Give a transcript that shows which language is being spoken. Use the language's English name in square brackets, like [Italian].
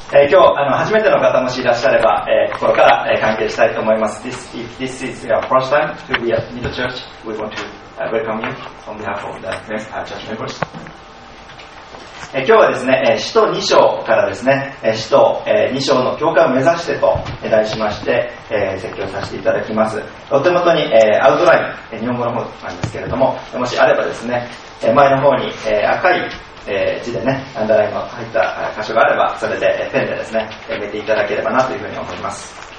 [Japanese] 今日初めての方もしいらっしゃれば、心から歓迎したいと思います。 [English] this is your first time to be at Mito Church. We want to welcome you on behalf of the church members. [Japanese] 今日はですね、使徒2章からですね、使徒2章の教会を目指してと題しまして、説教させていただきます。お手元に、アウトライン、日本語の方なんですけれども、もしあればですね、前の方に、赤い字でね、アンダーラインの入った箇所があれば、それでペンでですね、埋めていただければなというふうに思います。